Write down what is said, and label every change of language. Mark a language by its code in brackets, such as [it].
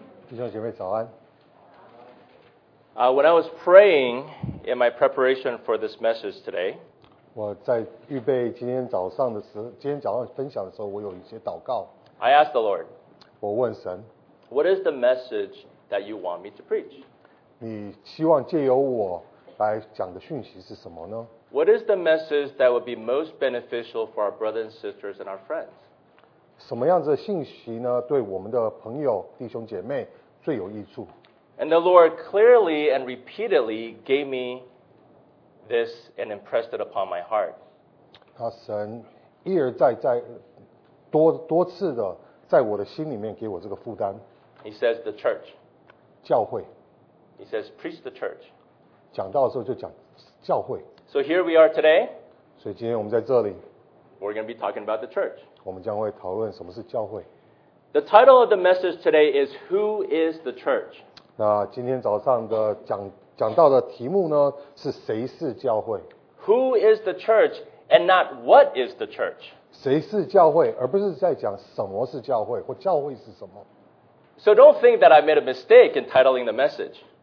[en] When I was praying in my preparation for this message today, I asked the Lord, what is the message that you want me to preach? What is the message that would be most beneficial for our brothers and sisters and our friends? [zh] 什么样子的信息呢, 对我们的朋友, 弟兄姐妹, 最有益处? [en] And the Lord clearly and repeatedly gave me this and impressed it upon my heart. [zh] 神一而再再, 多次的, 在我的心里面给我这个负担, [en] He says the church. [zh] 教会, [en] He says preach the church. [zh] 讲道的时候就讲教会, [en] so here we are today. [zh] 所以今天我们在这里, [en] we're going to be talking about the church. [zh] 我们将会讨论什么是教会。 [en] The title of the message today is Who is the Church? [zh] 那今天早上的讲道的题目呢, 是谁是教会? [en] Who is the church and not what is the church? [zh] 谁是教会, 而不是在讲什么是教会, 或教会是什么? [en] So don't think that I made a mistake in titling the message.